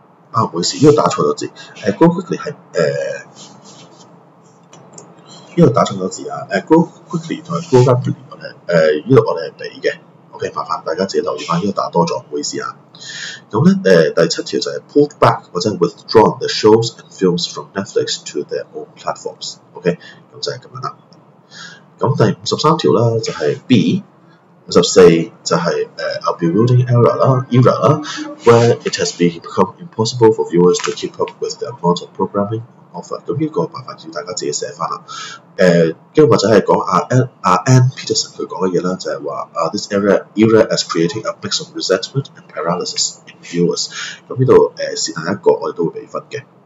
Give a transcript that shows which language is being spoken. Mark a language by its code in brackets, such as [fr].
[yue] 啊，唔好意思，呢、這個打錯咗字。 grow quickly 係呢、這個打錯咗字啊。 grow quickly 同 grow rapidly 我哋呢度我哋係比嘅。 OK， 麻煩大家自己留意翻，呢、這個打多咗，唔好意思啊。咁咧，第七條就係 [en] pulled back 或者 withdrawn the shows and films from Netflix to their own platforms。 [yue] OK， 咁就係咁樣啦。咁第五十三條啦，就係 B 五十四就係 [en] a bewildering era 啦 ，where it has become impossible for viewers to keep up with the amount of programming offered。 [yue] 咁呢個麻煩要大家自己寫翻啦。跟住或者係講Ann Peterson 佢講嘅嘢啦，就係話 [en] this era is creating a mix of resentment and paralysis in viewers。 [yue] 咁呢度是但一個我哋都會俾分嘅。